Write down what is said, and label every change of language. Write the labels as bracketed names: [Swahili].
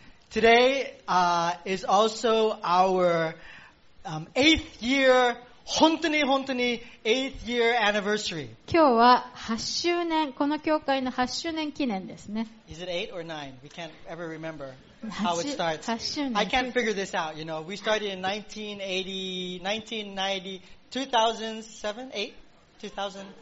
[English] Today, is also our, eighth year, [Japanese] 本当に [English] eighth year anniversary. [Japanese] 今日は8周年、この教会の8周年記念ですね。 [English] Is it 8 or 9? We can't ever remember how it starts. [Japanese] 8周年。 [English] I can't figure this out, you know. We started in 1980, 2007, 2000.